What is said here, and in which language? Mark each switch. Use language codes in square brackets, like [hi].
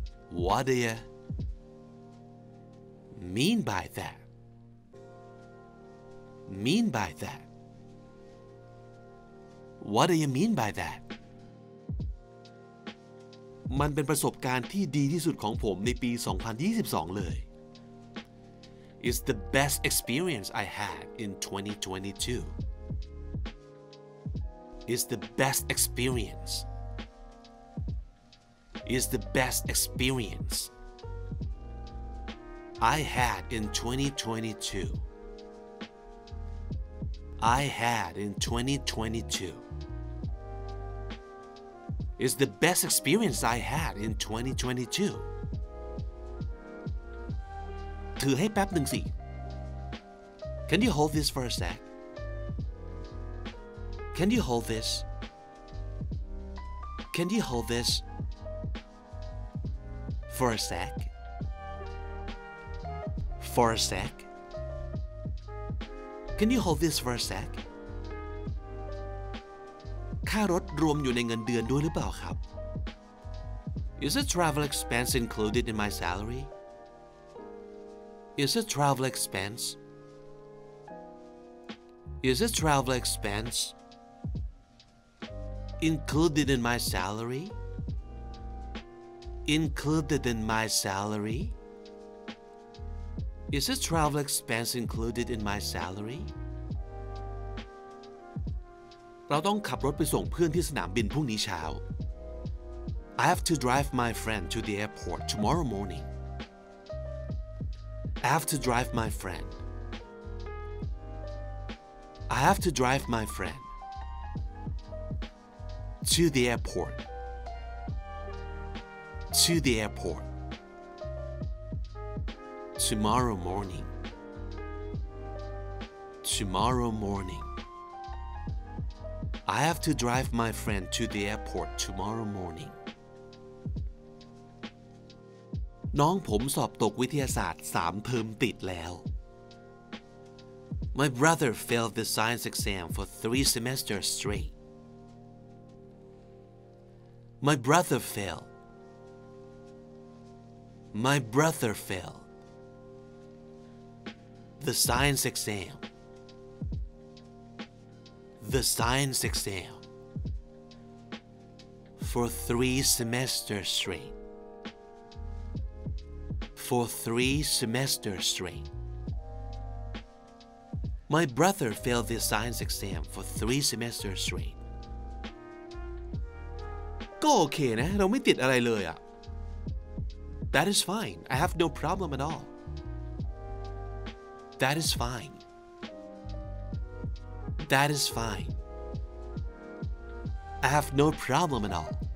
[en] What do you mean by that? Mean by that? What do you mean by that? [th] มันเป็นประสบการณ์ที่ดีที่สุดของผมในปี2022เลย [en] It's the best experience I had in 2022. Is the best experience. Is the best experience. I had in 2022. I had in 2022. Is the best experience I had in 2022. [th] ถือให้แป๊บหนึ่งสิ [en] Can you hold this for a sec? Can you hold this? Can you hold this for a sec? For a sec? Can you hold this for a sec? [th] ค่ารถรวมอยู่ในเงินเดือนด้วยหรือเปล่าครับ [en] Is the travel expense included in my salary? Is the travel expense? Is the travel expense? Included in my salary. Included in my salary. Is the travel expense included in my salary? [th] เราต้องขับรถไปส่งเพื่อนที่สนามบินพรุ่งนี้เช้า [en] I have to drive my friend to the airport tomorrow morning. I have to drive my friend. I have to drive my friend. To the airport. To the airport. Tomorrow morning. Tomorrow morning. I have to drive my friend to the airport tomorrow morning. [th] น้องผมสอบตกวิทยาศาสตร์3เทอมติดแล้ว [en] My brother failed the science exam for 3 semesters straight. My brother fell. My brother fell. The science exam. The science exam. For three semesters straight. For three semesters straight. My brother failed the science exam for three semesters straight. [th] ก็โอเคนะเราไม่ติดอะไรเลยอ่ะ [en] That is fine. I have no problem at all. That is fine. That is fine. I have no problem at all.